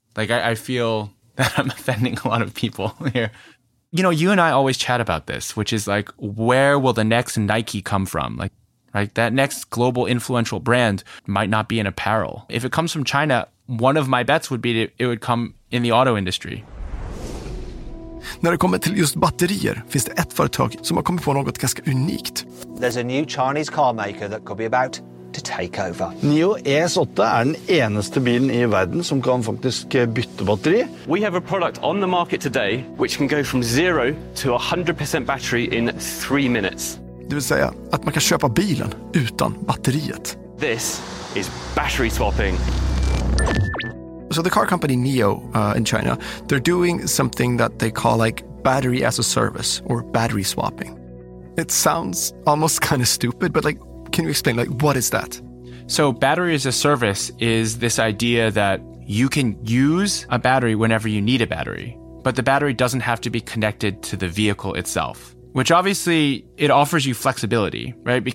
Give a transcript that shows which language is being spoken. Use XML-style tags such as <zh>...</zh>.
<en>Like, I feel that I'm offending a lot of people here. You know, you and I always chat about this, which is like, where will the next Nike come from? Like, right, that next global influential brand might not be in apparel. If it comes from China, one of my bets would be it would come in the auto industry.</en> <sv>När det kommer till just batterier finns det ett företag som har kommit på något ganska unikt.</sv> <en>There's a new Chinese car maker that could be about to take over.</en> <sv>Nio ES8 är den enaste bilen i världen som kan faktiskt byta batteri.</sv> <en>We have a product on the market today which can go from 0 to 100% battery in 3 minutes.</en> <sv>Det vill säga att man kan köpa bilen utan batteriet.</sv> <en>This is battery swapping. So the car company Nio in China, they're doing something that they call like battery as a service or battery swapping. It sounds almost kind of stupid, but like, can you explain, like, what is that? So battery as a service is this idea that you can use a battery whenever you need a battery, but the battery doesn't have to be connected to the vehicle itself, which obviously it offers you flexibility, right?</en>